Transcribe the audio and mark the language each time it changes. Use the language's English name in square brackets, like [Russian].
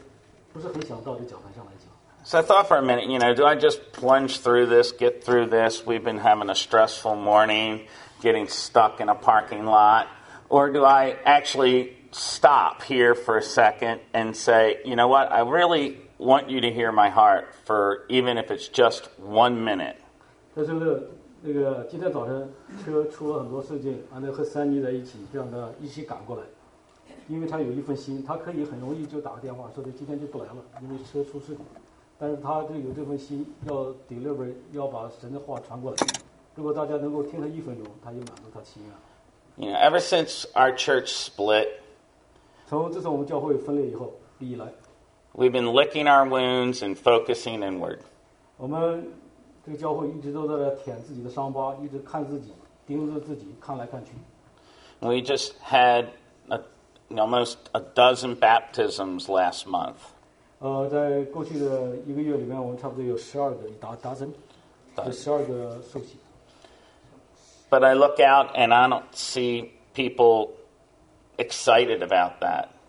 [Chinese] 你们来不来就是次要，你们学不学才是他最关心的。所以他的考虑，他有的时候都不是很想到这讲台上来讲。So [English] I thought for a minute, you know, do I just plunge through this, get through this? We've been having a stressful morning, getting stuck in a parking lot, or do I actually stop here for a second and say, you know what? I really want you to hear my heart for even if it's just 1 minute. [Chinese] 那个今天早晨车出了很多事情，安德和三妮在一起，这样的一起赶过来，因为他有一份心，他可以很容易就打个电话说他今天就不来了，因为车出事故，但是他就有这份心要 deliver 要把神的话传过来。如果大家能够听他一分钟，他就满足他心愿。You [English] know, ever since our church split, [Chinese] 从自从我们教会分裂以后，历来 [English] we've been licking our wounds and focusing inward. [Chinese] 我们 这个教会一直都在舔自己的伤疤，一直看自己，盯着自己看来看去。 [English] We just had almost a dozen baptisms last month. [Chinese] 在过去的一个月里面，我们差不多有十二个受洗。 [English] But I look out and I don't see people excited about that.